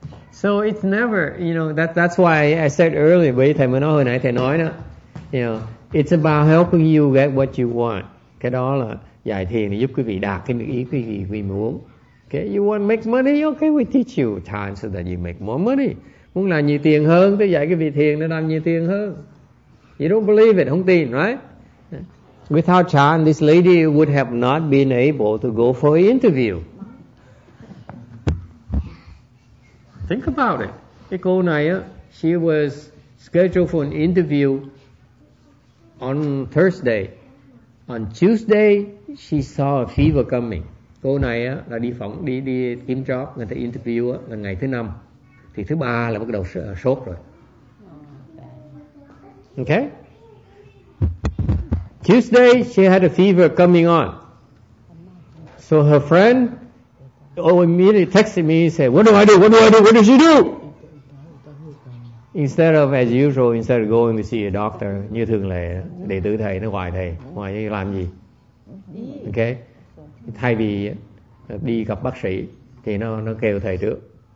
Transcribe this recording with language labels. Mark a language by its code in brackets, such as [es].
[en] So it's never, you know, that's why I said earlier, [vi] với thầy mới nói hồi nãy thầy nói đó, [en] you know, it's about helping you get what you want. [vi] Cái đó là giải thiền giúp quý vị đạt cái ý quý vị muốn. [en] Okay, you want to make money, okay, we teach you chant so that you make more money. [vi] Muốn làm nhiều tiền hơn, tôi dạy quý vị thiền để làm nhiều tiền hơn. [en] You don't believe it, [vi] không tin, [en] right? Without chant, this lady would have not been able to go for an interview. Think about it. [vi] Cái cô này, [en] she was scheduled for an interview on Thursday. On Tuesday, she saw a fever coming. [vi] Cô này là đi phỏng, đi kiếm job, người ta interview là ngày thứ năm. Thì thứ ba là bắt đầu sốt rồi. [en] Okay? Tuesday, she had a fever coming on. So her friend... Oh, immediately texted me and said, what do I do? What do I do? What did she do? Instead of, as usual, instead of going to see a doctor, [vi] như thường lệ, đệ tử thầy, nó hoài thầy, hoài thầy làm gì? Okay? Thay vì đi gặp bác sĩ, thì nó kêu thầy trước.